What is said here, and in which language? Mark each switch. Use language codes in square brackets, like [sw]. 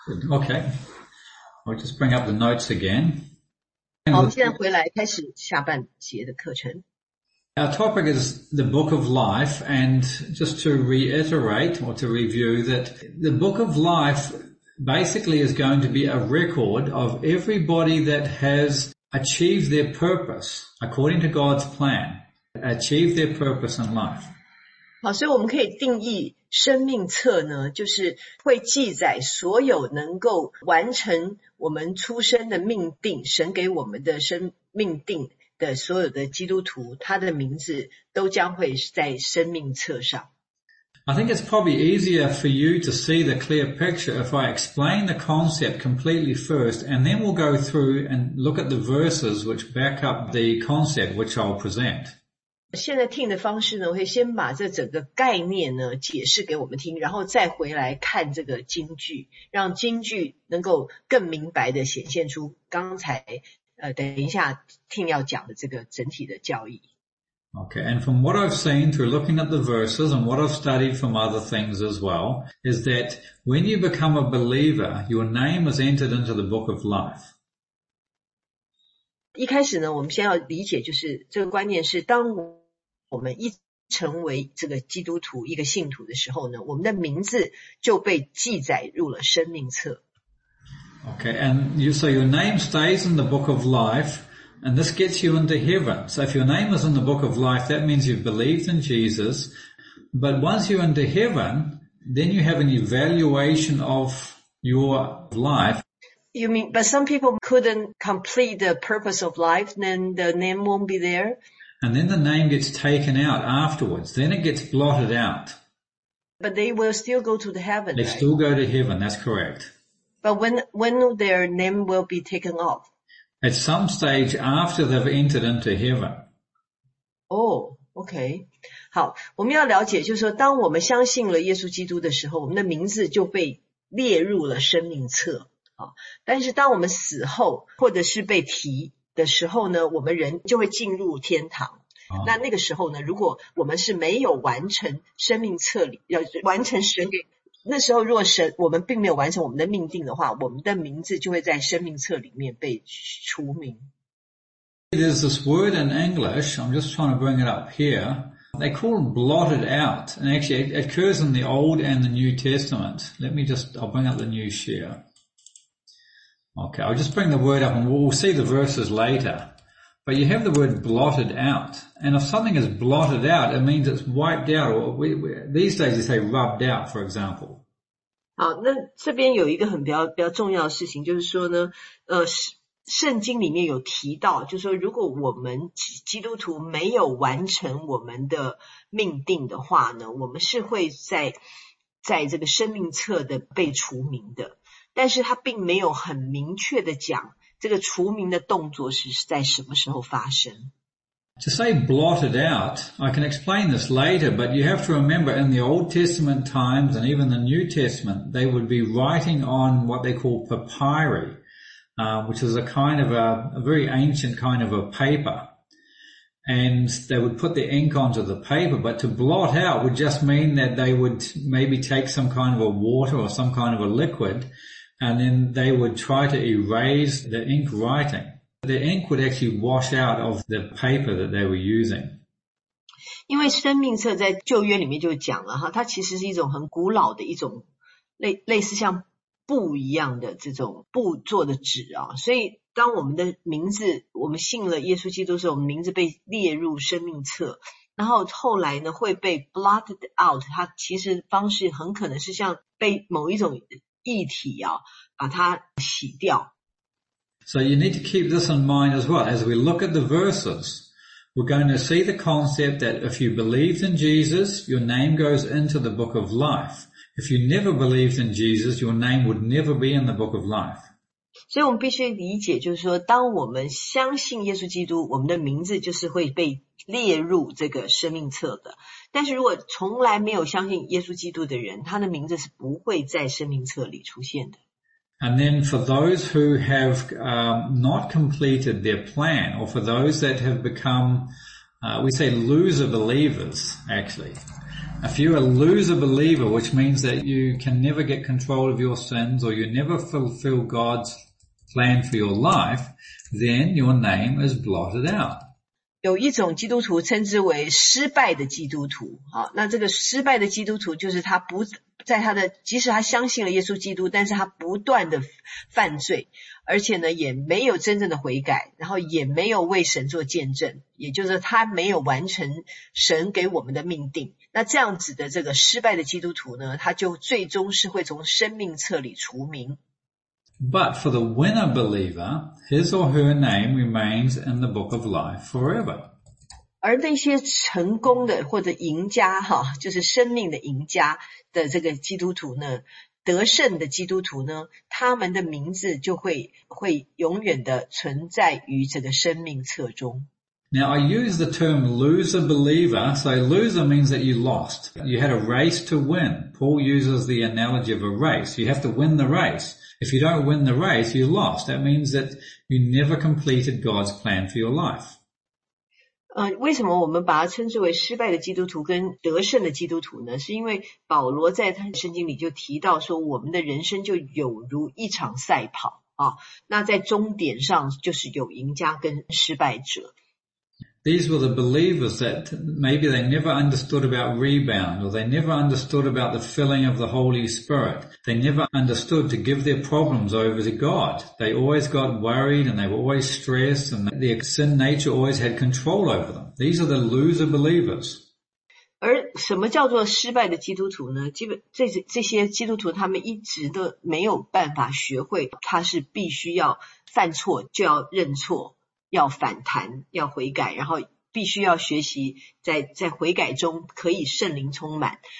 [en] Okay, I'll just bring up the notes again. Our topic is the Book of Life, and just to reiterate or to review that the Book of Life basically is going to be a record of everybody that has achieved their purpose according to God's plan. Achieve their purpose in life. [zh] 好，所以我们可以定义生命册呢，就是会记载所有能够完成我们出生的命定，神给我们的生命定的所有的基督徒，他的名字都将会在生命册上。 [en] I think it's probably easier for you to see the clear picture if I explain the concept completely first, and then we'll go through and look at the verses which back up the concept which I'll present. [zh] 现在听的方式呢，我会先把这整个概念呢解释给我们听，然后再回来看这个经句，让经句能够更明白的显现出刚才等一下听要讲的这个整体的教义。 [en] Okay, and from what I've seen through looking at the verses and what I've studied from other things as well, is that when you become a believer, your name is entered into the book of life. [zh] 一开始呢，我们先要理解，就是这个观念是，当我们一成为这个基督徒一个信徒的时候呢，我们的名字就被记载入了生命册。 [en] Okay, and you, so your name stays in the book of life, and this gets you into heaven. So if your name is in the book of life, that means you've believed in Jesus. But once you're into heaven, then you have an evaluation of your life. You mean, but some people couldn't complete the purpose of life, then the name won't be there. And then the name gets taken out afterwards. Then it gets blotted out. But they will still go to the heaven. They still go to heaven, that's correct. But when their name will be taken off? At some stage after they've entered into heaven. Oh, okay. [zh] 好，我们要了解就是说，当我们相信了耶稣基督的时候，我们的名字就被列入了生命册。但是当我们死后或者是被提的时候呢，我们人就会进入天堂。那那个时候呢，如果我们是没有完成生命册里，要完成神给，那时候如果神，我们并没有完成我们的命定的话，我们的名字就会在生命册里面被除名。 [en] There's this word in English, I'm just trying to bring it up here. They call it blotted out. And actually, it occurs in the Old and the New Testament. I'll bring up the new share. Okay, I'll just bring the word up and we'll see the verses later. But you have the word blotted out. And if something is blotted out, it means it's wiped out. Or these days you say rubbed out, for example. [zh] 好，那这边有一个很比较重要的事情，就是说呢，圣经里面有提到，就是说如果我们基督徒没有完成我们的命定的话呢，我们是会在这个生命册的被除名的。但是他并没有很明确的讲这个除名的动作是在什么时候发生。 [en] To say blotted out, I can explain this later, but you have to remember in the Old Testament times and even the New Testament, they would be writing on what they call papyri, which is a kind of a very ancient kind of a paper. And they would put the ink onto the paper, but to blot out would just mean that they would maybe take some kind of a water or some kind of a liquid,And then they would try to erase the ink writing. The ink would actually wash out of the paper that they were using. [zh] 因为生命册在旧约里面就讲了哈，它其实是一种很古老的一种类似像布一样的这种布做的纸啊。所以当我们的名字，我们信了耶稣基督的时候，我们名字被列入生命册，然后后来呢会被 [en] blotted out。 [zh] 它其实方式很可能是像被某一种液体啊，把它洗掉。 [en] So you need to keep this in mind as well. As we look at the verses, we're going to see the concept that if you believed in Jesus, your name goes into the book of life. If you never believed in Jesus, your name would never be in the book of life. [zh] 所以我们必须理解，就是说，当我们相信耶稣基督，我们的名字就是会被列入这个生命册的。但是如果从来没有相信耶稣基督的人，他的名字是不会在生命册里出现的。 [en] And then for those who have not completed their plan, or for those that have become We say loser believers, actually. If you're a loser believer, which means that you can never get control of your sins or you never fulfill God's plan for your life, then your name is blotted out. [zh] 有一种基督徒称之为失败的基督徒，那这个失败的基督徒就是他不在他的，即使他相信了耶稣基督，但是他不断的犯罪，而且呢也没有真正的悔改，然后也没有为神做见证，也就是他没有完成神给我们的命定。那这样子的这个失败的基督徒呢，他就最终是会从生命册里除名。 [en] But for the winner believer, his or her name remains in the book of life forever. [zh] 而那些成功的或者赢家，就是生命的赢家的这个基督徒呢，得胜的基督徒呢，他们的名字就会永远的存在于这个生命册中。 [en] Now I use the term loser believer, so loser means that you lost. You had a race to win. Paul uses the analogy of a race. You have to win the race. If you don't win the race, you lost. That means that you never completed God's plan for your life. [zh] 为什么我们把它称之为失败的基督徒跟得胜的基督徒呢？是因为保罗在他的圣经里就提到说，我们的人生就有如一场赛跑啊。那在终点上就是有赢家跟失败者。 [en] These were the believers that maybe they never understood about rebound, or they never understood about the filling of the Holy Spirit. They never understood to give their problems over to God. They always got worried and they were always stressed and their sin nature always had control over them. These are the loser believers. [zh] 而什么叫做失败的基督徒呢？这些基督徒他们一直都没有办法学会，他是必须要犯错就要认错。要反弹，要悔改，然后必须要学习在悔改中可以圣灵充满。